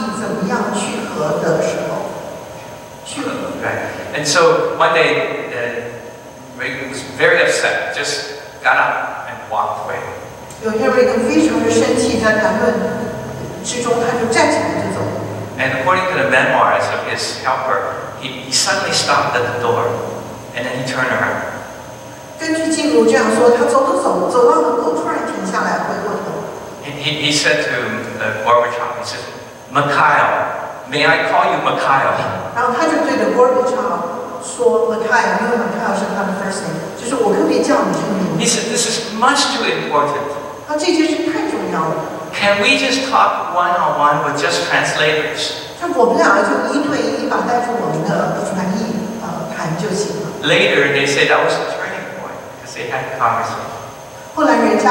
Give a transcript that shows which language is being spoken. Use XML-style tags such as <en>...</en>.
<zh>当他们两个那个时候在商议怎么样去和的时候。</zh> <en>Right. And so one day, Reagan was very upset, just got up and walked away. And according to the memoirs of his helper, he suddenly stopped at the door and then he turned around. He said to Gorbachev, he said, Mikhail, may I call you Mikhail?</en> <zh>然后他就对着Gorbachev说，Mikhail，因为Mikhail是他的</zh> <en>first name，</en> <zh>就是我可不可以叫你这个名字？</zh> <en>He said, this is much too important.</en> <zh>这件事太重要了。</zh> <en>Can we just talk one-on-one with just translators?</en> <zh>就我们两个就一对一把带着我们的翻译谈就行了。</zh> <en>Later, they say that was a turning point, because they had a conversation.</en>